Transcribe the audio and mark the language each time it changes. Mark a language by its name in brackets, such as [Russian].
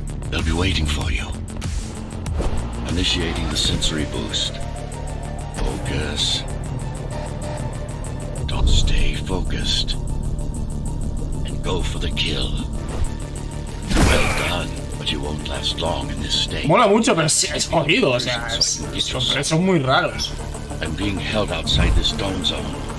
[English] They'll be waiting for you. Initiating the sensory boost. Focus. Don't stay focused. And go for the kill. Well done, but you won't last long in this state. [Spanish] Mola mucho, pero sí, es jodido, o sea, son muy raros. [English] I'm being held outside this dome zone.